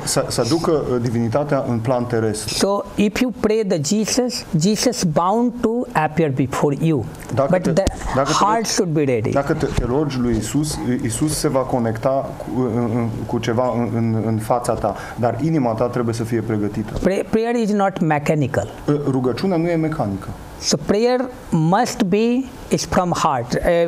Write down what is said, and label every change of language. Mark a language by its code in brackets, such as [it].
[ro] Să aducă divinitatea în plan terestru. [en] So if you pray the Jesus, Jesus bound to appear before you. [ro] Dacă [en] but the heart should be ready. [ro] Dacă te rogi lui Isus, Isus se va conecta cu ceva în fața ta, dar inima ta trebuie să fie pregătită. [en] Prayer is not mechanical. [ro] Rugăciunea nu e mecanică. [en] So prayer must be is from heart.